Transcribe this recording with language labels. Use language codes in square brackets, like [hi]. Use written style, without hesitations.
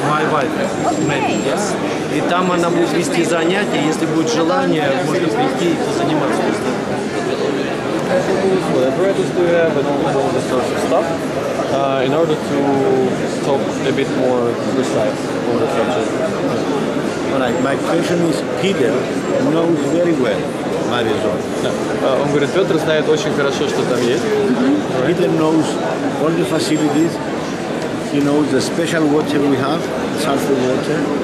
[ru] И там она будет вести занятия, если будет желание, можно прийти и позаниматься. [en] Where do you have and all this sort of stuff in order to talk a bit more precise on the subject? All right, my question is, Peter knows very well my resort. [ru] Он говорит, Петр знает очень хорошо, что там есть. [en] Peter knows all the facilities. He knows the special water we have, sulfur water.